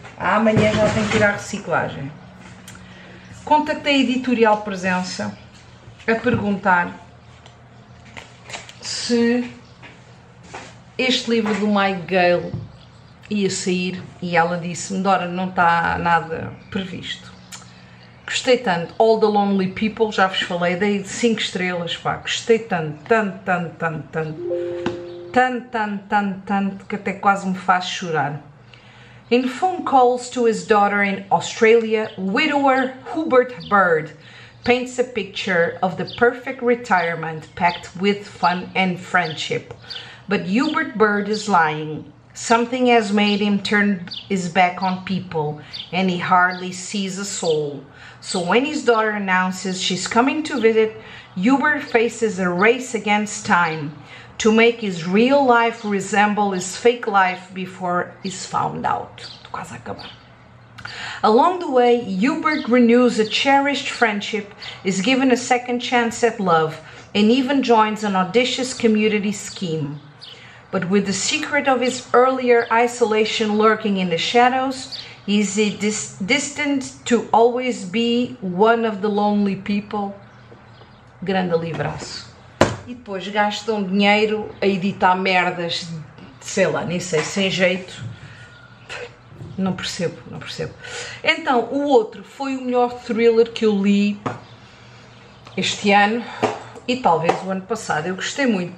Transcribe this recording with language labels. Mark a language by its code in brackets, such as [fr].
[pt] Amanhã já tenho que ir à reciclagem. Contactei a Editorial Presença a perguntar se este livro do Mike Gale ia sair e ela disse-me: Dora, não está nada previsto. Gostei tanto. All the Lonely People, já vos falei, dei 5 estrelas, pá. Gostei tanto, tanto, tanto, tanto, tanto, tanto, tanto, tanto, que até quase me faz chorar. [en] In phone calls to his daughter in Australia, widower Hubert Bird paints a picture of the perfect retirement packed with fun and friendship. But Hubert Bird is lying. Something has made him turn his back on people, and he hardly sees a soul. So when his daughter announces she's coming to visit, Hubert faces a race against time to make his real life resemble his fake life before he's found out. [pt] Quase acabar. [en] Along the way, Hubert renews a cherished friendship, is given a second chance at love, and even joins an audacious community scheme. But with the secret of his earlier isolation lurking in the shadows, is he destined to always be one of the lonely people? [pt] Grande livraço. E depois gastam dinheiro a editar merdas, sei lá, nem sei, sem jeito. Não percebo, não percebo. Então, o outro foi o melhor thriller que eu li este ano e talvez o ano passado. Eu gostei muito.